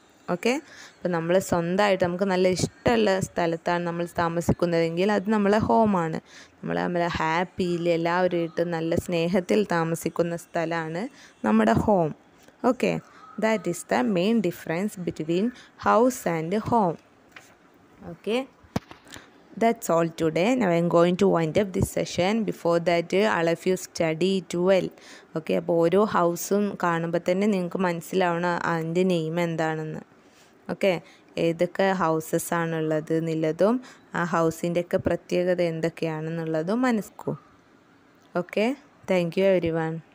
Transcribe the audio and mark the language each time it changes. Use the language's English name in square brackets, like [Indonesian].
[Malayalam] Okay, അപ്പോൾ നമ്മൾ സ്വന്തമായിട്ട് നമുക്ക് നല്ല ഇഷ്ടമുള്ള സ്ഥലത്താണ് നമ്മൾ താമസിക്കുന്നതെങ്കിൽ അത് നമ്മളെ ഹോമാണ്. നമ്മളെ ഹാപ്പിയിൽ എല്ലാവരുമായിട്ട് നല്ല സ്നേഹത്തിൽ താമസിക്കുന്ന സ്ഥലമാണ് നമ്മുടെ home. [English] Okay, that is the main difference between house and home. Okay, That's all today. Now I'm going to wind up this session. Before that, all of you study it well. [Malayalam] Okay, അപ്പോൾ ഓരോ ഹൗസും കാണുമ്പോൾ തന്നെ നിങ്ങൾക്ക് മനസ്സിലാവണം അതിൻ്റെ name എന്താണെന്ന്. Okay, ഏതൊക്കെ houses ആണുള്ളത് എന്നുള്ളതും ആ ഹൗസിൻ്റെ ഒക്കെ പ്രത്യേകത എന്തൊക്കെയാണെന്നുള്ളതും മനസ്സിലാക്കും. Okay, [English] Thank you everyone.